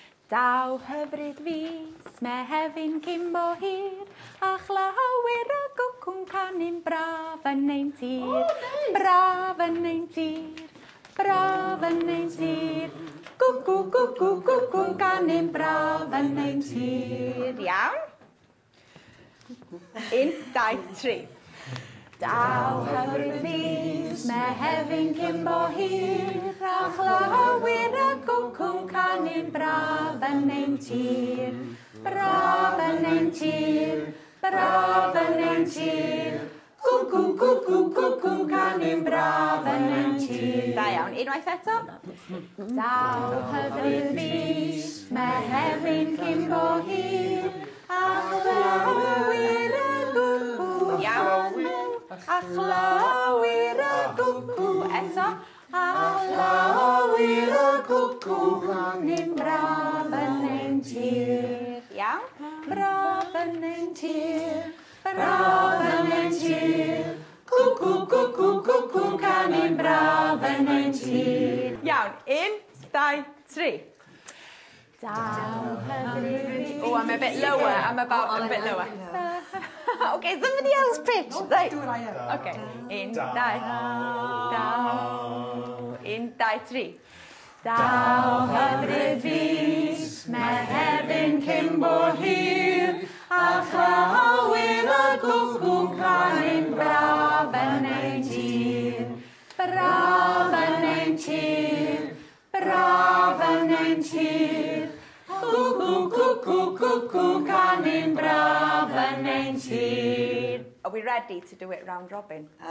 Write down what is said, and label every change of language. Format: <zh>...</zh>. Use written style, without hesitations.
<cy>Daw hyfryd fus, Mehefin cyn bo hir, a chlywir y gwcw'n canu'n braf yn ein tir.</cy> <en>Oh, nice.</en> <cy>Braf yn ein tir, braf yn ein tir. Gwcw, gwcw, gwcw'n canu'n braf yn ein tir. Iawn? Un, dau, tri. Daw hyfryd fus, Mehefin cyn bo hir, a chlywir y gwcw'n canu'n braf yn ein tir. Braf yn ein tir, braf yn ein tir. Gwcw, gwcw, gwcw'n canu'n braf yn ein tir. Da iawn, unwaith eto. Daw hyfryd fus, Mehefin cyn bo hir, a chlywir y gwcw'n canu'n braf yn ein tir. A chlywir y cwcw, eto. A chlywir y cwcw, canu'n braf yn ein tir. Iawn? Braf yn ein tir, braf yn ein tir. Cwcw, cwcw, cwcw, canu'n braf yn ein tir. Iawn, un, dau, tri.</cy> <en>Oh, I'm a bit lower. I'm about a bit lower. Okay, somebody else pitch. Do it, I am. Okay. In die. Down. In die three.</en> <cy>Dau hyfryd fys, mae'r hefyn cymbo hir, a chlawyr y gwcw'n cael un braf yn ei tir. Braf yn ei tir, braf yn ei tir, gwcw'n cwcw'n cwcw'n cael un braf yn ei tir.</cy> <en>Are we ready to do it round robin?</en>